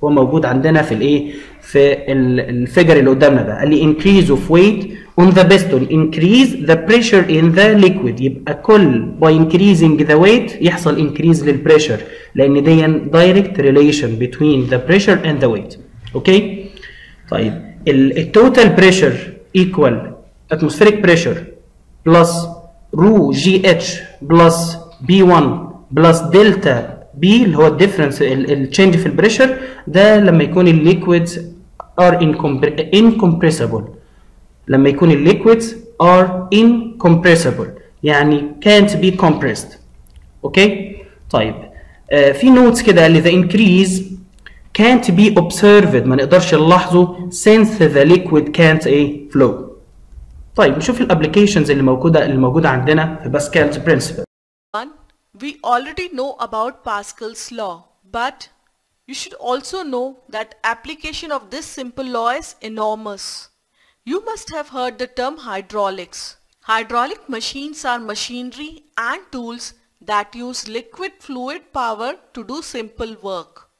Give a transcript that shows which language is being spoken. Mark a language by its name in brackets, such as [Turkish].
[Arabic] هو موجود عندنا في الايه في الفيجر اللي قدامنا ده. قال لي [English] increase of weight on the piston increase the pressure in the liquid. [Arabic] يبقى كل [English] by increasing the weight [Arabic] يحصل [English] increase للpressure [Arabic] لان دي [English] direct relation between the pressure and the weight. Okay [Arabic] طيب [English] ال total pressure equal atmospheric pressure plus rho gh plus B1 plus delta B [Arabic] اللي هو [English] الديفرنس التشينج في البريشر [Arabic] ده لما يكون [English] الليكويدز are incompressible. [Arabic] لما يكون [English] الليكويدز are incompressible [Arabic] يعني [English] كانت be compressed. Okay [Arabic] طيب في [English] notice [Arabic] كده اللي [English] the increase can't be observed [Arabic] ما نقدرش نلاحظه [English] Since the liquid can't a flow. [Arabic] طيب نشوف الابلكيشنز اللي موجوده عندنا في باسكالز برينسيبل. [English] We already know about Pascal's law, but you should also know that application of this simple law is enormous. You must have heard the term hydraulics. Hydraulic machines are machinery and tools that use liquid fluid power to do simple work.